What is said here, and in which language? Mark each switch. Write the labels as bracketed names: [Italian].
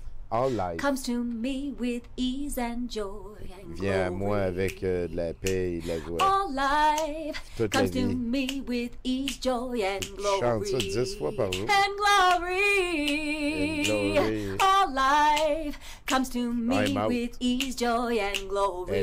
[English] All life comes to me with ease and joy and glory. [French] Viens à moi avec de la paix et de la joie. [English] All life comes to me with ease, joy and glory. [French] Chante ça 10 fois par jour. [English] And glory. And glory. All life comes to me with ease, joy and glory.